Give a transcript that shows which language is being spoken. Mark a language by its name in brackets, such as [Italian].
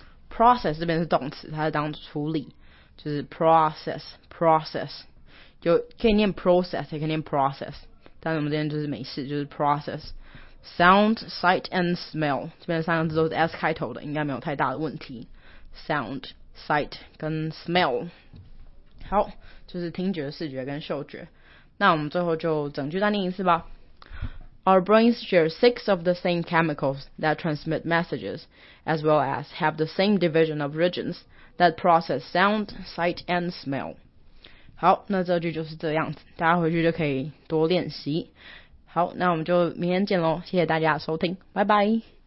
[Chinese] Process 这边是动词，它是当处理，就是 process， 就可以念 process， 也可以念 process， 但我们这边就是没事，就是 process。 [English] Sound sight and smell [Chinese] 这边三个字都是 S 开头的，应该没有太大的问题。 Sound sight 跟 smell， 好，就是听觉、视觉跟嗅觉。那我们最后就整句再念一次吧。 [English] Our brains share six of the same chemicals that transmit messages, as well as have the same division of regions that process sound, sight, and smell. [Chinese] 好，那这句就是这样子，大家回去就可以多练习。好，那我们就明天见咯，谢谢大家收听，拜拜。